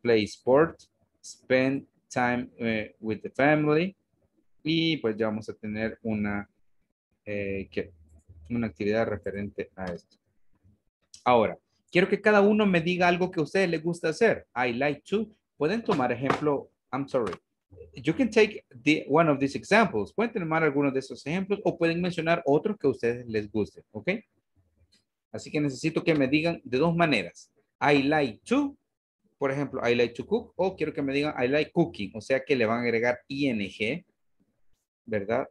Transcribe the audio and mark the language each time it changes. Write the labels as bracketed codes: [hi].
[en] Play sport, spend time with the family. [es] Y pues ya vamos a tener una actividad referente a esto. Ahora, quiero que cada uno me diga algo que a ustedes les gusta hacer. [en] I like to. [es] Pueden tomar ejemplo, [en] I'm sorry. You can take the, one of these examples. [es] Pueden tomar algunos de esos ejemplos o pueden mencionar otros que a ustedes les guste, ¿ok? Así que necesito que me digan de dos maneras. I like to, por ejemplo, [en] I like to cook, [es] o quiero que me digan [en] I like cooking, [es] o sea que le van a agregar ing, ¿verdad?